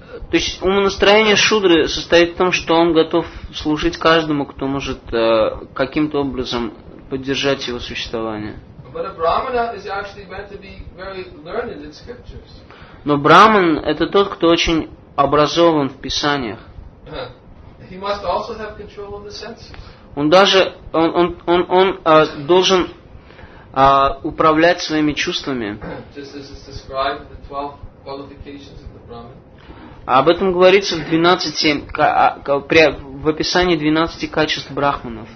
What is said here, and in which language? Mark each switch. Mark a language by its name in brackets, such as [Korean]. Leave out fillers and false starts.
[Russian] То есть умонастроение шудры состоит в том, что он готов служить каждому, кто может каким-то образом поддержать его существование. [English] But a Brahmana is actually meant to be very learned in scriptures. [Russian] Но Брахман – это тот, кто очень образован в Писаниях. [English] He must also have control of the senses. [Russian] Он даже он должен управлять своими чувствами. [English] Just as it's described in the 12 qualifications of the Brahman. [Russian] Об этом говорится в 12, в описании 12 качеств брахманов.